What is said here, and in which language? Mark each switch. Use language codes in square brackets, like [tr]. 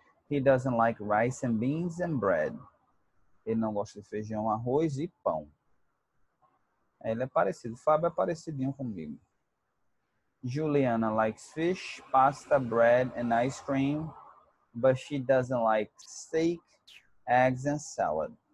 [en] He doesn't like rice and beans and bread. [pt] Ele não gosta de feijão, arroz e pão. Ele é parecido. Fábio é parecidinho comigo. [en] Juliana likes fish, pasta, bread and ice cream, but she doesn't like steak, eggs and salad.